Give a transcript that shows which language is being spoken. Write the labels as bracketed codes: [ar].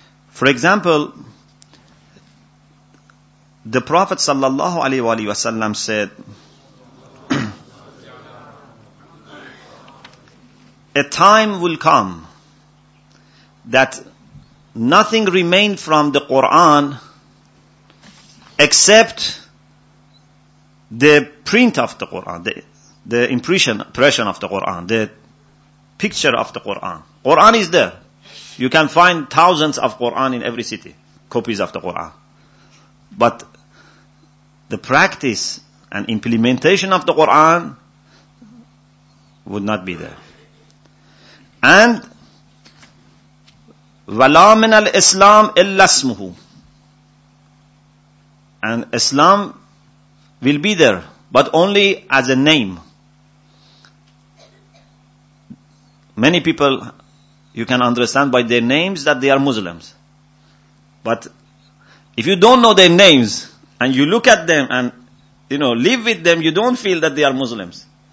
[en] For example, the Prophet sallallahu alaihi wasallam said, a time will come that nothing remained from the Quran except the print of the Quran, the impression of the Quran, the picture of the Quran. Quran is there. You can find thousands of Quran in every city, copies of the Quran. But the practice and implementation of the Quran would not be there. And [ar] وَلَا مِنَ الْإِسْلَامِ إِلَّا اسْمُهُ. [en] And Islam will be there, but only as a name. Many people, you can understand by their names that they are Muslims. But if you don't know their names, and you look at them and, you know, live with them, you don't feel that they are Muslims.